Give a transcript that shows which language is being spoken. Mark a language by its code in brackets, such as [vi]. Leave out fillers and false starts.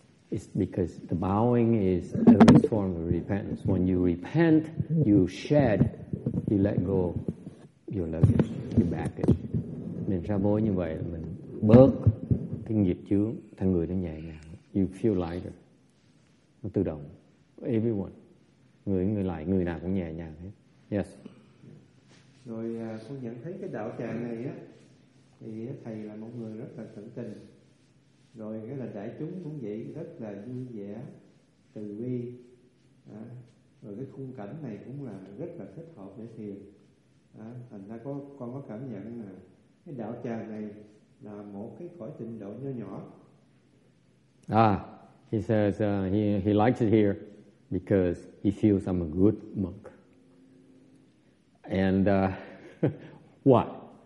[en] It's because the bowing is the first form of repentance. When you repent, you shed, you let go your luggage, your baggage. [vi] Mình ra bối như vậy là mình bớt cái nghiệp chướng, thân người nó nhẹ nhàng. [en] You feel lighter. [vi] Nó tự động. Everyone. Người lại, người nào cũng nhẹ nhàng hết. [en] Yes. [vi] Rồi con nhận thấy cái đạo tràng này á, thì thầy là một người rất là tận tình. Rồi cái là đại chúng cũng vậy, rất là vui vẻ, từ bi. À, rồi cái khung cảnh này cũng là rất là thích hợp để thiền. À, thành ra con có cảm nhận là cái đạo tràng này là một cái cõi tịnh độ nhỏ nhỏ. [en] He says he likes it here because he feels I'm a good monk. And what?